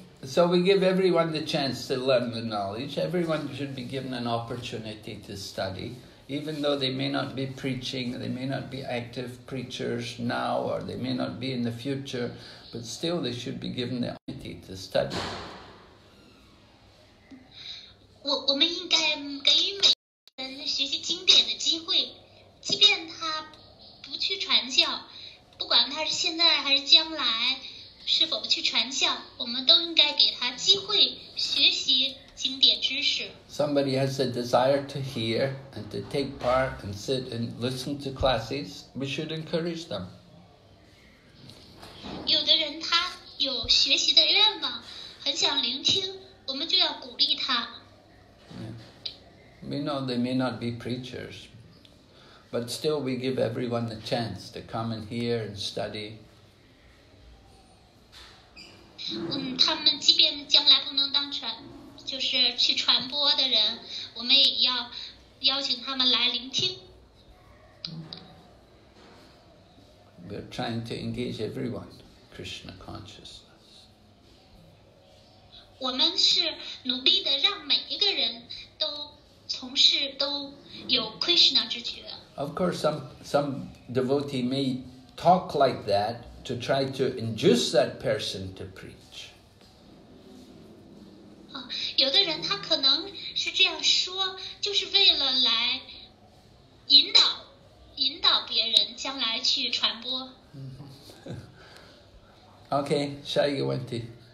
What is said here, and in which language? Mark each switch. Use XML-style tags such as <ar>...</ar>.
<en>So we give everyone the chance to learn the knowledge. Everyone should be given an opportunity to study, even though they may not be preaching, they may not be active preachers now, or they may not be in the future, but still they should be given the opportunity to study.</en> <zh>我们应该给予每个人学习经典的机会，即便他不去传教，不管他是现在还是将来是否去传教，我们都应该给他机会学习经典知识。</zh> <en>Somebody has a desire to hear and to take part and sit and listen to classes, we should encourage them.</en> <zh>有的人他有学习的愿望，很想聆听，我们就要鼓励他。</zh> <en>We know they may not be preachers, but still we give everyone the chance to come and hear and study.</en> <zh>他们即便将来不能当传，就是去传播的人，我们也要邀请他们来聆听。</zh> <en>We're trying to engage everyone, Krishna consciousness.</en> <zh>我们是努力的让每一个人都从事都有 Krishna 之觉。</zh> <en>Of course, some devotee may talk like that to try to induce that person to preach.</en> <zh>有的人他可能是这样说，就是为了来引导别人将来去传播。 OK, 下一个问题。</zh>